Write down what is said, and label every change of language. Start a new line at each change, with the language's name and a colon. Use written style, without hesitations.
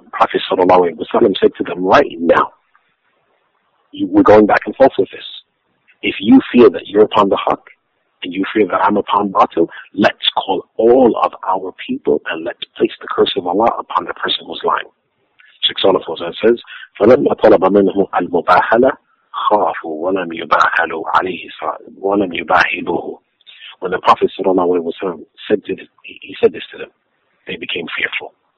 English: The Prophet sallallahu alaihi wasallam said to them, right now, we're going back and forth with this. If you fear that you're upon the haq and you fear that I'm upon batil, let's call all of our people and let's place the curse of Allah upon the person who's lying. Shaykh Salih Fawzan says,
Arabic: فَلَمَّا طَلَبَ مِنْهُ الْمُبَاهَلَةِ خَافُوا وَلَمْ يُبَاهَلُوا عَلَيْهِ وَلَمْ يُبَاهِلُوهُ.
English: When the Prophet sallallahu alaihi wasallam said this to them, they became fearful.